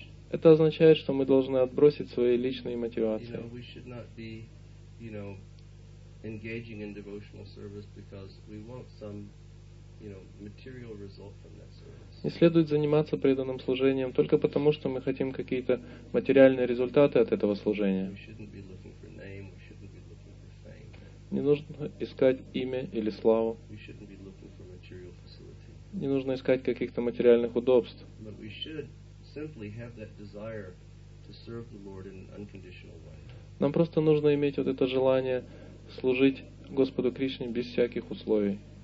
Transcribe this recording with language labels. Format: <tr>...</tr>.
<ru>Это означает, что мы должны отбросить свои личные мотивации.</ru> <en>Engaging in devotional service because we want some, you know, material result from that service.</en> <ru>Не следует заниматься преданным служением только потому, что мы хотим какие-то материальные результаты от этого служения.</ru> <en>We shouldn't be looking for name, we shouldn't be looking for fame.</en> <ru>Не нужно искать имя или славу.</ru> <en>We shouldn't be looking for material facility.</en> <ru>Не нужно искать каких-то материальных удобств.</ru> <en>But we should simply have that desire to serve the Lord in an unconditional way.</en> <ru>Нам просто нужно иметь вот это желание служить Господу Кришне без всяких условий.</ru>